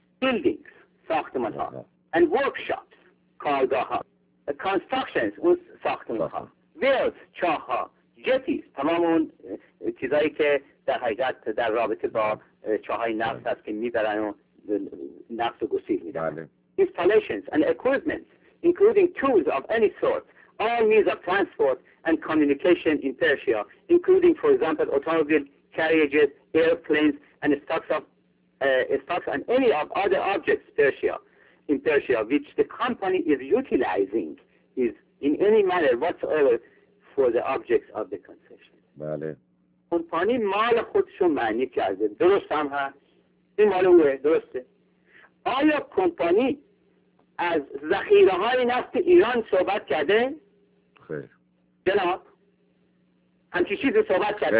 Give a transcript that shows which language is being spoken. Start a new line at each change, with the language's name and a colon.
Persian: Buildings ساختمان ها. بله. And workshops کارگاه ها. Constructions اون ساختمان ها. Wells چاه ها. Jetties تمام اون چیزایی که در حقیقت در رابطه با چاه های نفت هست که میبرن و نفت و گسیل میدن. بله.
English: Installations and equipment including tools of any sort all means of transport and communication in Persia, including, for example, automobile carriages, airplanes, and stocks of stocks and any of other objects Persia, in Persia, which the company is utilizing, is in any manner whatsoever for the objects of the concession.
Persian: بله. کمپانی مال خودشو معنی کرده. درست هم هست. این مال اوه. درسته. آیا کمپانی از ذخیره های نفت ایران صحبت کرده؟ خیر. جناب همچی چیزی صحبت کرده؟